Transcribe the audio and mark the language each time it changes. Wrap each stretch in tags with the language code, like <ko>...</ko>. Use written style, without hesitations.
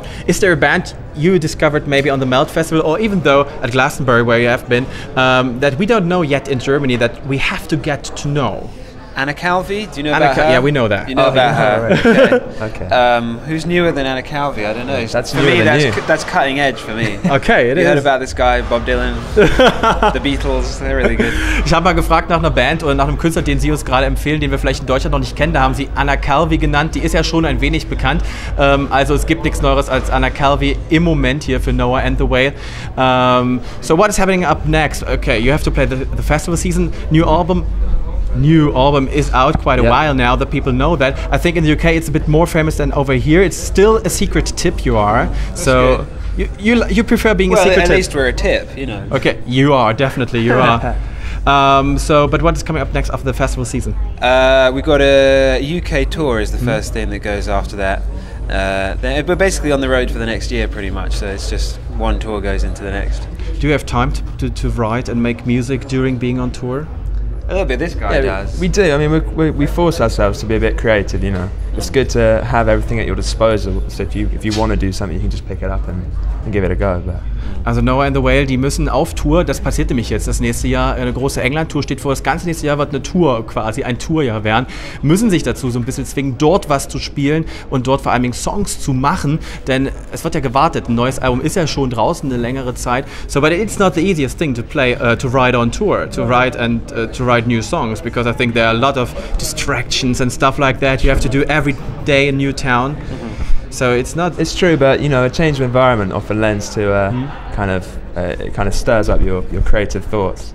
<en>Is there a band you discovered maybe on the Melt Festival, or even though at Glastonbury, where you have been, that we don't know yet in Germany that we have to get to know? Anna Calvi, do you know about her? Yeah, we know that. You know about her. Okay. Who's newer than Anna Calvi? I don't know. That's cutting edge for me. Okay, it you is. You heard about this guy, Bob Dylan, The Beatles, they're really good.</en> <de>Ich habe mal gefragt nach einer Band oder nach einem Künstler, den Sie uns gerade empfehlen, den wir vielleicht in Deutschland noch nicht kennen. Da haben Sie Anna Calvi genannt. Die ist ja schon ein wenig bekannt. Also es gibt nichts Neueres als Anna Calvi im Moment hier für Noah and the Whale.</de> <en>So what is happening up next? Okay, you have to play the festival season, new album. New album is out quite a while now, the people know that. I think in the UK it's a bit more famous than over here. It's still a secret tip you are. That's so you prefer being well, a secret at tip. At least we're a tip, you know. Okay, you are, definitely, you are. But what is coming up next after the festival season? We've got a UK tour is the first thing that goes after that. We're basically on the road for the next year pretty much, so it's just one tour goes into the next. Do you have time to write and make music during being on tour? A little bit, this guy does. We do. I mean, we force ourselves to be a bit creative, you know. It's good to have everything at your disposal. So if you want to do something, you can just pick it up and give it a go. But.</en> <de>Also Noah and the Whale, die müssen auf Tour, das passiert nämlich jetzt das nächste Jahr, eine große England-Tour steht vor, das ganze nächste Jahr wird eine Tour quasi, ein Tourjahr werden, müssen sich dazu so ein bisschen zwingen, dort was zu spielen und dort vor allen Dingen Songs zu machen, denn es wird ja gewartet, ein neues Album ist ja schon draußen eine längere Zeit.</de> <en>So, but it's not the easiest thing to play, to write on tour, to write new songs, because I think there are a lot of distractions and stuff like that, you have to do every day in new town. So it's not. It's true, but you know, a change of environment often lends to kind of stirs up your creative thoughts.</en>